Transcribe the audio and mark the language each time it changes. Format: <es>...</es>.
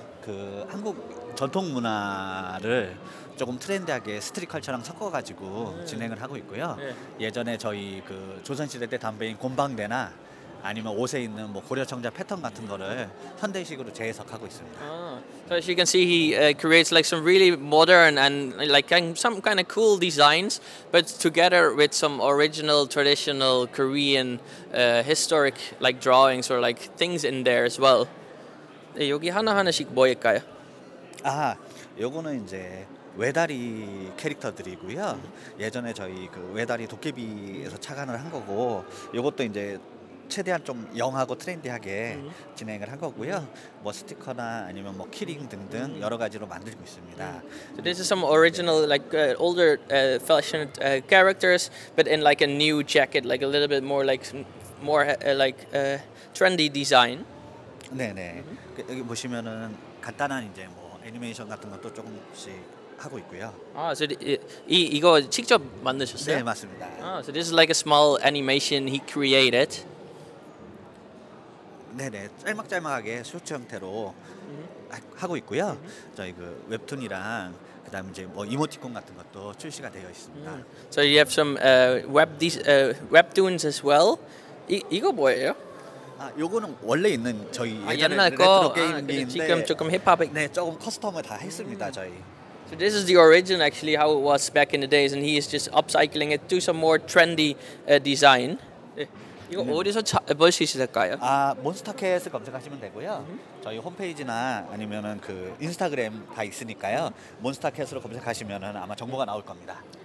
<ko>그 한국 전통 문화를 조금 트렌디하게 스트릿 컬처랑 섞어가지고 진행을 하고 있고요. 네. 예전에 저희 그 조선시대 때 담배인 곰방대나 아니면 옷에 있는 뭐 고려청자 패턴 같은 거를 현대식으로 재해석하고 있습니다.</ko> <en>So as you can see, he creates like some really modern and like some kind of cool designs, but together with some original traditional Korean historic like drawings or like things in there as well.</en> <ko>네, 여기 하나하나씩 뭐일까요? 아, 요거는 이제 외다리 캐릭터들이고요. 예전에 저희 그 외다리 도깨비에서 착안을 한 거고 요것도 이제 최대한 좀 영하고 트렌디하게 진행을 한 거고요. 뭐 스티커나 아니면 뭐 키링 등등 여러 가지로 만들고 있습니다.</ko> <en>So this is some original like older fashion characters but in like a new jacket like a little bit more like more like trendy design.</en> <ko>네, 네. 여기 보시면은 간단한 이제 뭐 애니메이션 같은 것도 조금씩 하고 있고요. 아, 저 이 이거 직접 만드셨어요? 네, 맞습니다.</ko> <en>아, so this is like a small animation he created.</en> <ko>네네, 짤막짤막하게 쇼츠 형태로 하고 있고요. 저희 그 웹툰이랑 그다음 이제 뭐 이모티콘 같은 것도 출시가 되어 있습니다.</ko> <en>So you have some webtoons as well.</en> <ko>이거 뭐예요? 아, 요거는 원래 있는 저희 예전에 옛날 거 게임인데 지금 조금 힙합에 네, 조금 커스텀을 다 했습니다, 저희.</ko> <en>So this is the origin actually how it was back in the days and he is just upcycling it to some more trendy design.</en> <ko>이거 어디서 볼 수 있을까요? 아, 몬스타캣을 검색하시면 되고요. 저희 홈페이지나 아니면은 그 인스타그램 다 있으니까요. 몬스타캣으로 검색하시면은 아마 정보가 나올 겁니다.</ko>